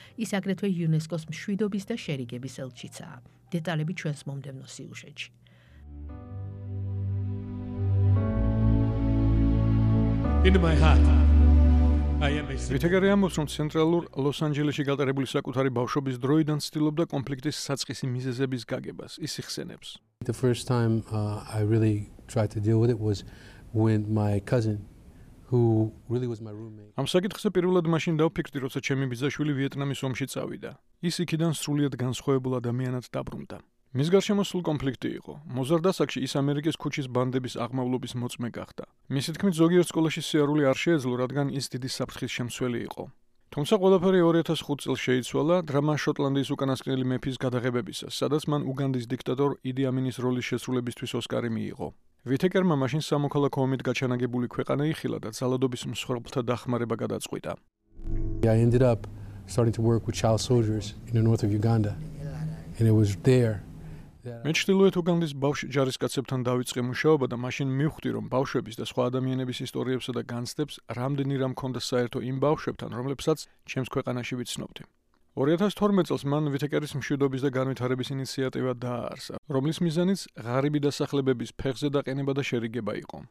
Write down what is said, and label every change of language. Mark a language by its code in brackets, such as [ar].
[ka] ის აგრეთვე UNESCO-ს მშვიდობის და შერიგების ელჩიცაა. დეტალები ჩვენს მომდევნო სიუჟეტში. [en] Into my heart. [ka] ვიტეკერი ამბობს, რომ ცენტრალურ ლოს-ანჯელესში გატარებული საკუთარი ბავშვობის დროიდან ცდილობდა კონფლიქტის საწყისი მიზეზების გაგებას. ის იხსენებს. [en] The first time I really tried to deal with it was when my cousin who really was my roommate. [ka] ამ საკითხზე პირველად მაშინ დავფიქრდი, როცა ჩემი ბიძაშვილი ვიეტნამის ომში წავიდა. ის იქიდან სრულიად განსხვავებულ ადამიანად დაბრუნდა. მის გარშემო სულ კონფლიქტი იყო. მოზარდასახში ის ამერიკის ქუჩის ბანდების აღმავლობის მოწმე გახდა. მისი თქმით, ზოგიერთ სკოლაში სიარული არ შეეძლო, რადგან ის დიდი საფრთხის შემცველი იყო. თუმცა ყველაფერი 2005 წელს შეიცვალა დრამა შოტლანდიის უკანასკნელი მეფის გადაღებებისას, სადაც მან უგანდის დიქტატორ იდი ამინის როლის შესრულებისთვის ოსკარი მიიღო. ვიტეკერმა მაშინ სამოქალაქო ომით გაჩანაგებული ქვეყანა იხილა და ძალადობის მსხვერპლთა დახმარება გადაწყვიტა. [en] I ended up starting to work with child soldiers in the north of Uganda. And it was there. [ka] მე ჩრდილოეთ უგანდის ბავშ ჯარისკაცებთან დავიწყე მუშაობა და მაშინ მივხვდი, რომ ბავშვების და სხვა ადამიანების ისტორიებსა და განცდებს რამდენი რამ ქონდა საერთო იმ ბავშვებთან, რომლებსაც ჩემს ქვეყანაში ვიცნობდი. 2012 წელს მან ვიტეკერის მშვიდობის და განვითარების ინიციატივა დააარსა, რომლის მიზანიც ღარიბი დასახლებების ფეხზე დაყენება და შერიგება იყო.